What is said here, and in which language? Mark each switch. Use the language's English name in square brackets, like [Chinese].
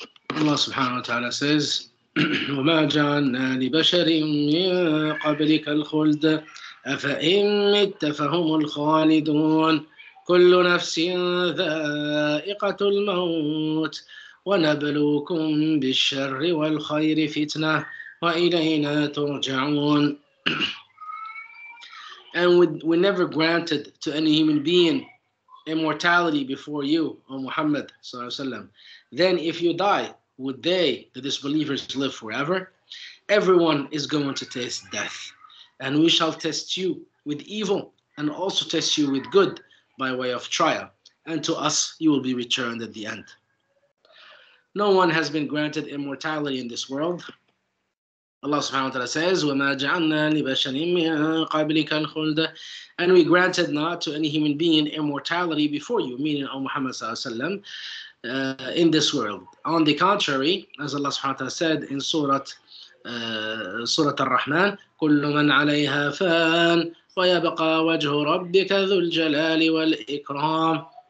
[English] Allah subhanahu wa ta'ala says, [Arabic] وَمَا جَعَلْنَا لِبَشَرٍ مِّن قَبْلِكَ الْخُلْدَ أَفَإِن مِتَّ فَهُمُ الْخَالِدُونَ كُلُّ نَفْسٍ ذَائِقَةُ الْمَوْتِ وَنَبْلُوكُمْ بِالشَّرِّ وَالْخَيْرِ فِتْنَةً وَإِلَيْنَا تُرْجَعُونَ. [English] And we never granted to any human being immortality before you, O Muhammad, sallallahu alaihi wasallam. Then if you die, would they, the disbelievers, live forever? Everyone is going to taste death. And we shall test you with evil and also test you with good by way of trial. And to us, you will be returned at the end. No one has been granted immortality in this world. Allah subhanahu wa ta'ala says, [Arabic] وَمَا جَعَلْنَا لِبَشَرٍ مِّن قَبْلِكَ الْخُلْدَ. [English] And we granted not to any human being immortality before you, meaning O Muhammad sallallahu alayhi wa sallam, in this world. On the contrary, as Allah subhanahu wa ta'ala said in Surah Ar-Rahman, [Arabic] كُلُّ مَنْ عَلَيْهَا فَانْ وَيَبْقَى وَجْهُ رَبِّكَ ذُو الْجَلَالِ وَالْإِكْرَامِ.